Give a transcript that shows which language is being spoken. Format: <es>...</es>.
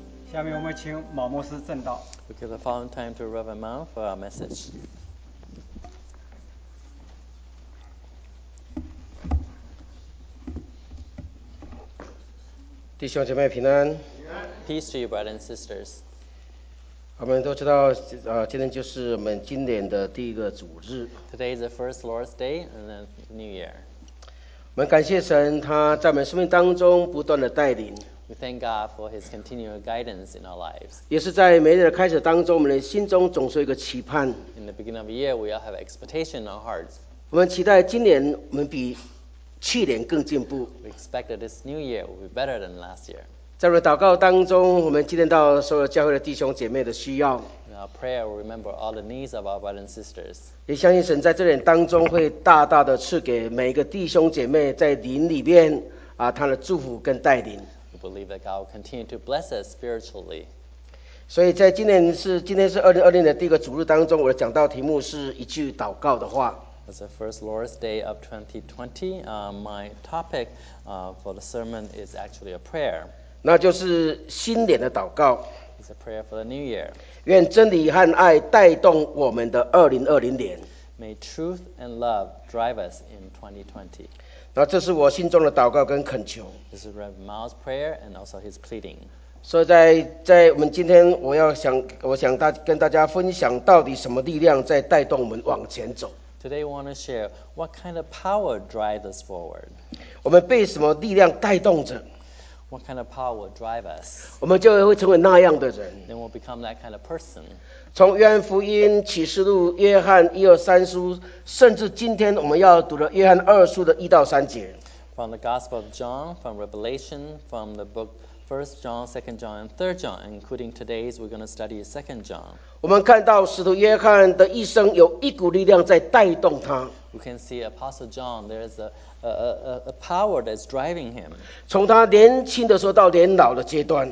<zh>下面我们请毛牧师证道。</zh> <en>We give the following time to Reverend Mao for our message. Peace to you, brothers and sisters.</en> <zh>我们都知道，今天就是我们今年的第一个主日。</zh> <en>Today is the first Lord's Day and the New Year.</en> <zh>我们感谢神，他在我们生命当中不断的带领。</zh> <en>We thank God for His continual guidance in our lives.</en> <zh>也是在每日的开始当中，我们的心中总是有一个期盼。</zh> <en>In the beginning of the year, we all have expectation in our hearts.</en> <zh>我们期待今年我们比去年更进步。</zh> <en>We expect that this new year will be better than last year.</en> <zh>在我们的祷告当中，我们纪念到所有教会的弟兄姐妹的需要。</zh> <en>In our prayer, we remember all the needs of our brothers and sisters.</en> <zh>也相信神在这点当中会大大的赐给每一个弟兄姐妹在灵里面他的祝福跟带领。</zh> <en>We believe that God will continue to bless us spiritually.</en> <zh>所以在今天是2020的第一个主日当中，我的讲道题目是一句祷告的话。</zh> <en>It's the first Lord's Day of 2020. My topic for the sermon is actually a prayer.</en> <zh>那就是新年的祷告。</zh> <en>It's a prayer for the new year.</en> <zh>愿真理和爱带动我们的2020年。</zh> <en>May truth and love drive us in 2020.</en> <zh>那这是我心中的祷告跟恳求。</zh> <en>This is Rev. Mao's prayer and also his pleading.</en> <zh>所以在我们今天我想跟大家分享到底什么力量在带动我们往前走。</zh> <en>Today we want to share what kind of power drives us forward.</en> <zh>我们被什么力量带动着。</zh> <en>What kind of power will drive us?</en> <zh>我们就会成为那样的人。</zh> <en>Then we'll become that kind of person.</en> <zh>从约翰福音、启示录、约翰一二三书，甚至今天我们要读的约翰二书的一到三节。</zh> <en>From the Gospel of John, from Revelation, from the book 1 John, 2 John, and 3 John, including today's, we're going to study 2 John.</en> <zh>我们看到使徒约翰的一生有一股力量在带动他。</zh> <en>We can see Apostle John, there is a power that's driving him.</en> <zh>从他年轻的时候到年老的阶段。</zh>